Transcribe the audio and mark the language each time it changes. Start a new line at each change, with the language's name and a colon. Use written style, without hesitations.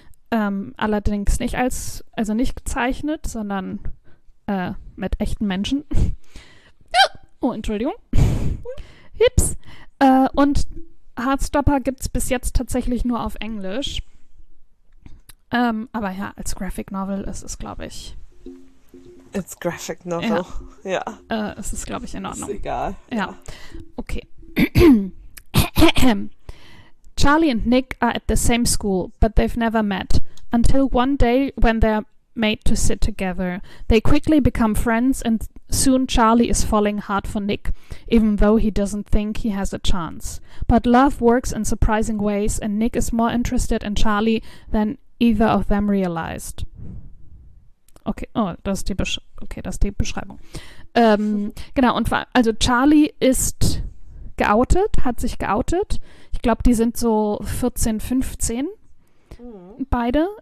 German: Allerdings nicht als, also nicht gezeichnet, sondern mit echten Menschen. Oh, Entschuldigung. Hips. Und Heartstopper gibt es bis jetzt tatsächlich nur auf Englisch. Aber ja, als Graphic Novel ist es, glaube ich.
English: It's Graphic Novel, ja.
German: Es ist, glaube ich, in Ordnung. Ist egal. Ja. Okay.
English: Charlie and Nick are at the same school, but they've never met. Until one day when they're made to sit together. They quickly become friends and soon Charlie is falling hard for Nick, even though he doesn't think he has a chance. But love works in surprising ways and Nick is more interested in Charlie than either of them realized.
German: Okay, oh, das ist die Beschreibung. Genau, und also Charlie ist geoutet, hat sich geoutet. Ich glaube, die sind so 14, 15. Beide.